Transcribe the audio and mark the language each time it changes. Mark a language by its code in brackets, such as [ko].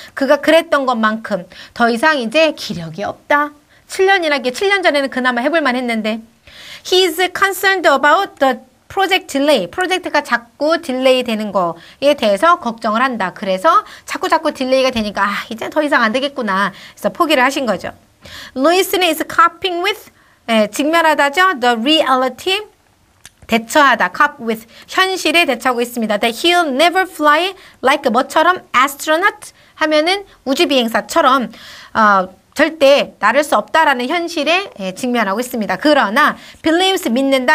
[ko] 그가 그랬던 것만큼 더 이상 이제 기력이 없다. 7년이라기에 7년 전에는 그나마 해볼 만했는데. [en] He is concerned about the project delay, [ko] 프로젝트가 자꾸 딜레이 되는 거에 대해서 걱정을 한다. 그래서 자꾸 딜레이가 되니까 아, 이제 더 이상 안 되겠구나. 그래서 포기를 하신 거죠. [en] Listen is coping with, [ko] 예, 직면하다죠. [en] The reality, 대처하다. Cope with, [ko] 현실에 대처하고 있습니다. [en] That he'll never fly like [ko] 뭐처럼 astronaut 하면은 우주비행사처럼 절대 나를 수 없다라는 현실에 직면하고 있습니다. 그러나 believes 믿는다.